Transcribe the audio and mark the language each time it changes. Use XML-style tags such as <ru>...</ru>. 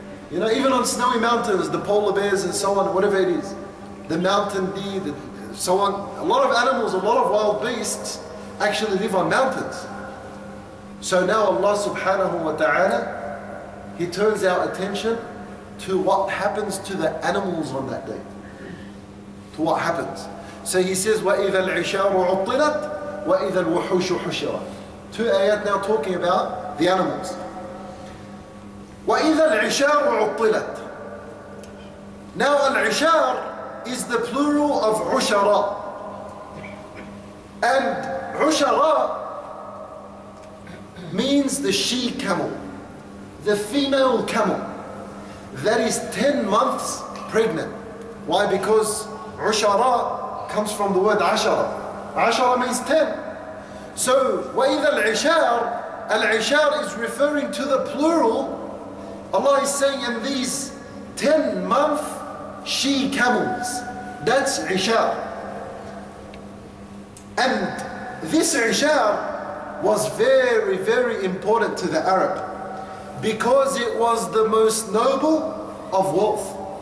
<en>You know, even on snowy mountains, the polar bears and so on, whatever it is, the mountain deer, and so on, a lot of animals, a lot of wild beasts, actually live on mountains. So now Allah subhanahu wa ta'ala, He turns our attention to what happens to the animals on that day. To what happens. So He says,</en> <ar>وَإِذَا الْعِشَارُ عُطِّلَتْ وَإِذَا الْوُحُوشُ حُشِرَتْ.</ar> <en>Two ayat now talking about the animals.</en> <ar>وَإِذَا الْعِشَارُ عُطِّلَتْ.</ar> <en>Now al-ishar is the plural of عُشَرَا. And عُشَرَا means the she camel, the female camel that is 10 months pregnant. Why? Because عُشَرَا comes from the word عَشَرَا. عَشَرَا means 10. So</en> <ar>وَإِذَا الْعِشَارِ.</ar> <en>Al-ishar is referring to the plural. Allah is saying in these 10 month she camels, that's عِشَار. And this Isha was very, very important to the Arab because it was the most noble of wealth.</en>